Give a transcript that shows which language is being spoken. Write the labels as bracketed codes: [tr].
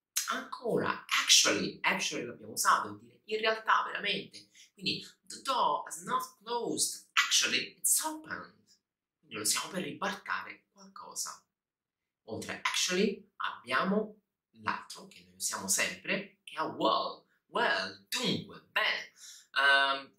[it] Ancora, actually l'abbiamo usato, vuol dire in realtà, veramente. [en] Quindi, the door is not closed, actually it's opened. [it] Quindi lo usiamo per ribaltare qualcosa. Oltre a actually, abbiamo l'altro che noi usiamo sempre, che è well, dunque, beh.